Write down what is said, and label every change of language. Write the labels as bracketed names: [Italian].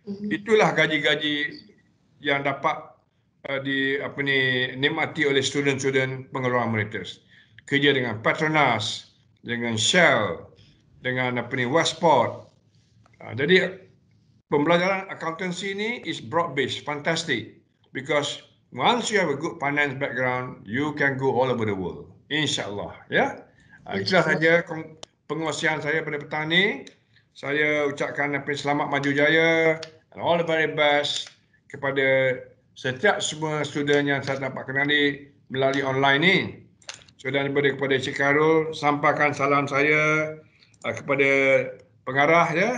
[Malay] Itulah gaji-gaji yang dapat dinikmati oleh student-student pengeluaran merita. Kerja dengan Petronas, dengan Shell, dengan Westport. Jadi, pembelajaran accountancy ini [English] is broad-based, fantastic. Because once you have a good finance background, you can go all over the world. [Malay] InsyaAllah. Itulah saja pengusian saya pada petang ini. Saya ucapkan selamat maju jaya [English] and all the very best [Malay] kepada setiap semua student yang saya dapat kenali melalui online ini. So, dan kepada Cik Karul, sampaikan salam saya kepada pengarah.